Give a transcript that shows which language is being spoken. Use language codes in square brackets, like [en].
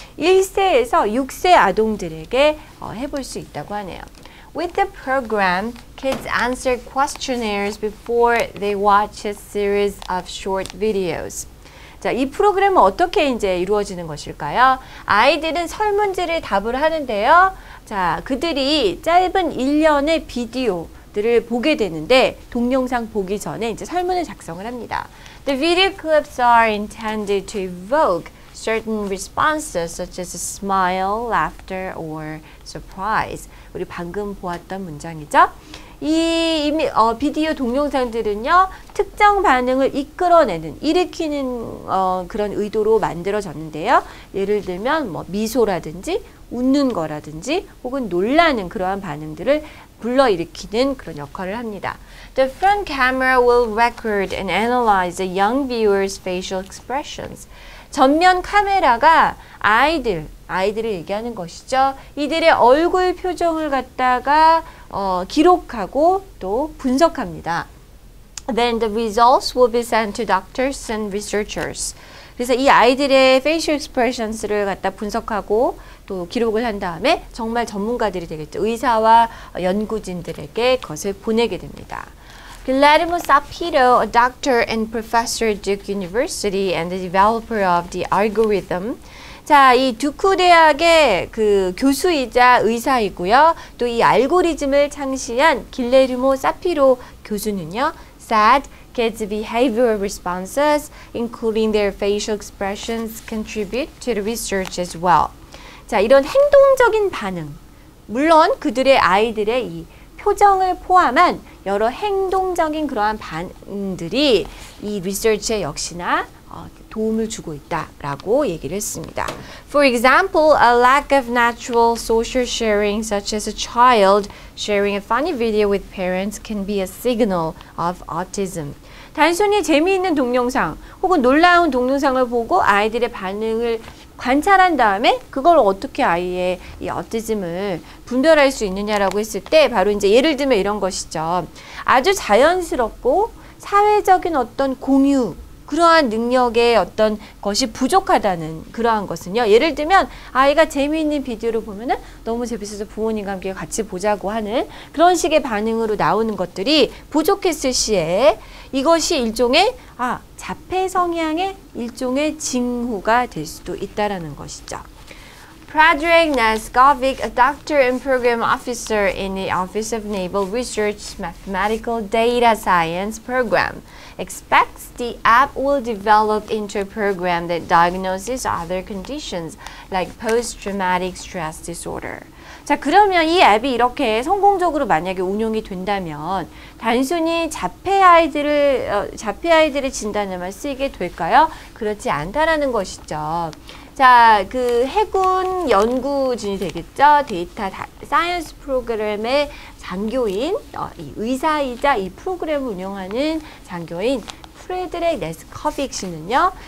[ko] 1세에서 6세 아동들에게 해볼 수 있다고 하네요. [en] With the program, kids answer questionnaires before they watch a series of short videos. [ko] 자, 이 프로그램은 어떻게 이제 이루어지는 것일까요? 아이들은 설문지를 답을 하는데요. 자, 그들이 짧은 1년의 비디오들을 보게 되는데 동영상 보기 전에 이제 설문을 작성을 합니다. [en] The video clips are intended to evoke certain responses such as a smile, laughter, or surprise. [ko] 우리 방금 보았던 문장이죠. 이 비디오 동영상들은요, 특정 반응을 이끌어내는, 일으키는 그런 의도로 만들어졌는데요. 예를 들면 뭐 미소라든지 웃는 거라든지 혹은 놀라는 그러한 반응들을 불러일으키는 그런 역할을 합니다. [en] The front camera will record and analyze the young viewer's facial expressions. [ko] 전면 카메라가 아이들을 얘기하는 것이죠. 이들의 얼굴 표정을 갖다가 기록하고 또 분석합니다. [en] Then the results will be sent to doctors and researchers. [ko] 그래서 이 아이들의 [en] facial expressions [ko] 를 갖다 분석하고 또 기록을 한 다음에 정말 전문가들이 되겠죠. 의사와 연구진들에게 그것을 보내게 됩니다. [en] Guillermo Sapiro, a doctor and professor at Duke University and the developer of the algorithm. [ko] 자, 이 듀크 대학의 그 교수이자 의사이고요. 또 이 알고리즘을 창시한 길레르모 사피로 교수는요. [en] said kids' behavioral responses, including their facial expressions, contribute to the research as well. [ko] 자, 이런 행동적인 반응, 물론 그들의 아이들의 이 표정을 포함한 여러 행동적인 그러한 반응들이 이 리서치에 역시나 도움을 주고 있다라고 얘기를 했습니다. [en] For example, a lack of natural social sharing such as a child sharing a funny video with parents can be a signal of autism. [ko] 단순히 재미있는 동영상 혹은 놀라운 동영상을 보고 아이들의 반응을 관찰한 다음에 그걸 어떻게 아이의 이 어티즘을 분별할 수 있느냐라고 했을 때 바로 이제 예를 들면 이런 것이죠. 아주 자연스럽고 사회적인 어떤 공유 그러한 능력의 어떤 것이 부족하다는 그러한 것은요. 예를 들면 아이가 재미있는 비디오를 보면은 너무 재밌어서 부모님과 함께 같이 보자고 하는 그런 식의 반응으로 나오는 것들이 부족했을 시에 이것이 일종의 자폐 성향의 일종의 징후가 될 수도 있다라는 것이죠. [en] Predrag Nascovic, a doctor and program officer in the Office of Naval Research Mathematical Data Science Program, expects the app will develop into a program that diagnoses other conditions like post-traumatic stress disorder. [ko] 자, 그러면 이 앱이 이렇게 성공적으로 만약에 운영이 된다면 단순히 자폐 아이들의 진단에만 쓰이게 될까요? 그렇지 않다라는 것이죠. 자, 그 해군 연구진이 되겠죠. 데이터 사이언스 프로그램의 장교인, 이 의사이자 이 프로그램을 운영하는 장교인 프레드릭 네스커빅 씨는요.